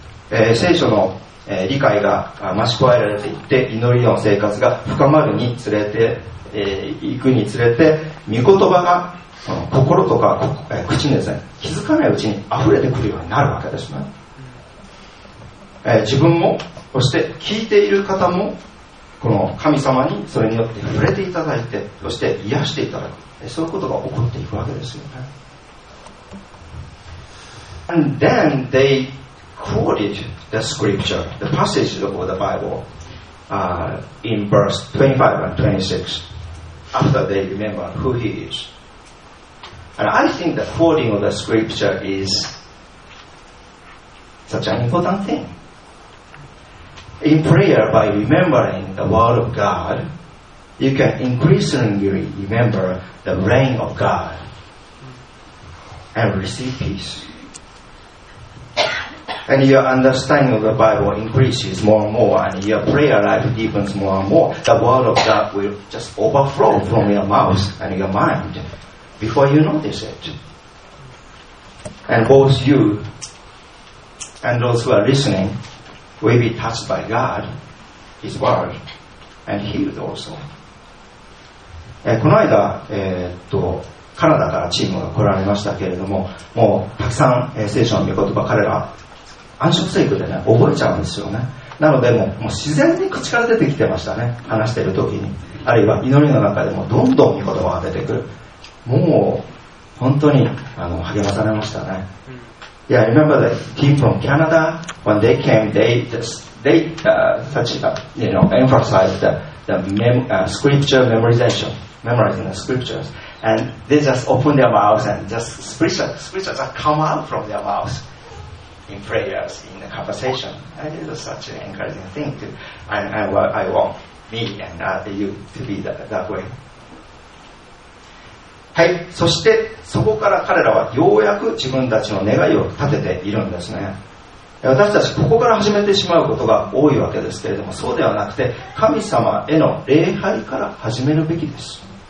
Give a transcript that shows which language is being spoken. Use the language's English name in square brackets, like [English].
[Japanese] 聖書の理解が増し加えられていって祈りの生活が深まるにつれて、行くにつれて御言葉がその心とか口にですね、気づかないうちに溢れてくるようになるわけですね。自分もそして聞いている方もこの神様にそれによって触れていただいて、そして癒していただく、そういうことが起こっていくわけですよね。 [English] And then they quoted the scripture, the passage of the Bible, in verse 25 and 26 after they remember who he is. And I think the quoting of the scripture is such an important thingIn prayer, by remembering the word of God, you can increasingly remember the reign of God and receive peace. And your understanding of the Bible increases more and more, and your prayer life deepens more and more. The word of God will just overflow from your mouth and your mind before you notice it. And both you and those who are listening will be touched by God, His word, and healed also. [Japanese] この間、カナダからチームが来られましたけれども、もうたくさん、聖書の御言葉、彼ら暗食生育でね、覚えちゃうんですよね。なのでもう自然に口から出てきてましたね、話してる時に。あるいは祈りの中でもどんどん御言葉が出てくる。もう本当に励まされましたね。 [English] Yeah, remember the team from Canada, when they came, they emphasized the scripture memorization, memorizing the scriptures. And they just open their mouths and just scriptures that come out from their mouths in prayers, in the conversation. And it was such an encouraging thing to, I want me and you to be that way. [Japanese] はい、そしてそこから彼らはようやく自分たちの願いを立てているんですね。私たちここから始めてしまうことが多いわけですけれども、そうではなくて神様への礼拝から始めるべきです。